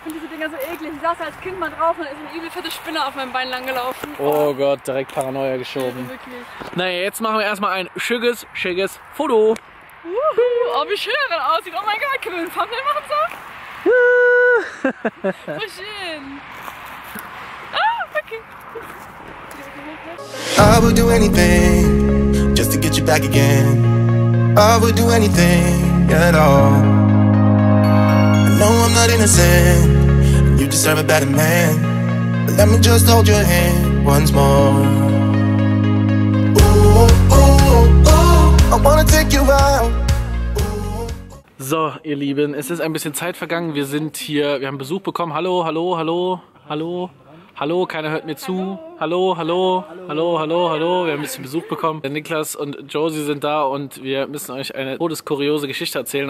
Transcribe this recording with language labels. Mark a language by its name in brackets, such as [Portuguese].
[German] Ich finde diese Dinger so eklig. Ich saß als Kind mal drauf und ist eine übel fette Spinne auf meinem Bein langgelaufen. Oh Gott, direkt Paranoia geschoben. Wirklich. Naja, jetzt machen wir erstmal ein schickes, schickes Foto. Oh, wie schön er aussieht. Oh mein Gott, können wir einen Thumbnail machen so? Wie schön. [English] Ah, okay. I would do anything just to get you back again. I would do anything at all. No, I'm not innocent. You deserve a better man. But let me just hold your hand once more. Ooh, ooh, ooh, I wanna take you out. [German] So, ihr Lieben, es ist ein bisschen Zeit vergangen. Wir sind hier, wir haben Besuch bekommen. Hallo, hallo, hallo, hallo, hallo, keiner hört mir zu. Hallo, hallo, hallo, hallo, hallo, hallo. Wir haben ein bisschen Besuch bekommen. Der Niklas und Josie sind da und wir müssen euch eine todeskuriose Geschichte erzählen.